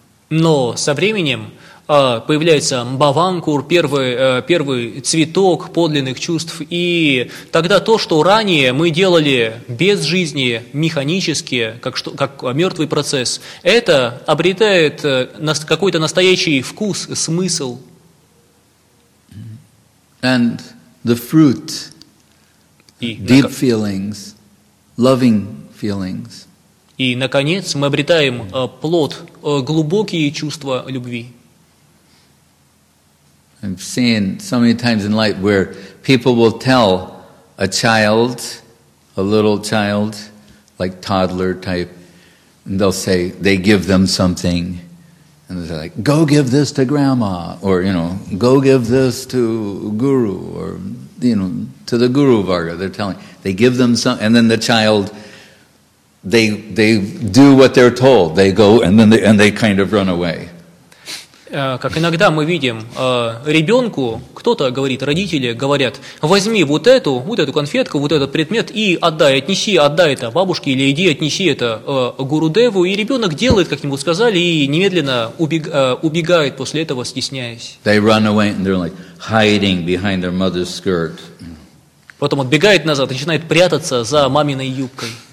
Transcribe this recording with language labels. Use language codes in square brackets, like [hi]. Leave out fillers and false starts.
[ru] Но со временем появляется бхавангур, первый цветок подлинных чувств, и тогда то, что ранее мы делали без жизни, механически, как мертвый процесс, это обретает какой-то настоящий вкус, смысл. [en] And the fruit, deep feelings, loving feelings. [ru] И, наконец, мы обретаем плод, глубокие чувства любви. [en] I've seen so many times in life where people will tell a child, a little child, like toddler type, and they'll say, they give them something, and they're like, go give this to grandma, or, you know, go give this to guru, or, you know, to the guru varga. They're telling, they give them something, and then the child... They do what they're told. They go and then they kind of run away. [ru] Как иногда мы видим, ребенку кто-то говорит, родители говорят, возьми вот эту конфетку, вот этот предмет и отдай это бабушке или иди отнеси это Гурудеву, и ребенок делает, как ему сказали, и немедленно убегает после этого, стесняясь. [en] They run away and they're like hiding behind their mother's skirt. [ru] Потом отбегает назад, начинает прятаться за маминой юбкой.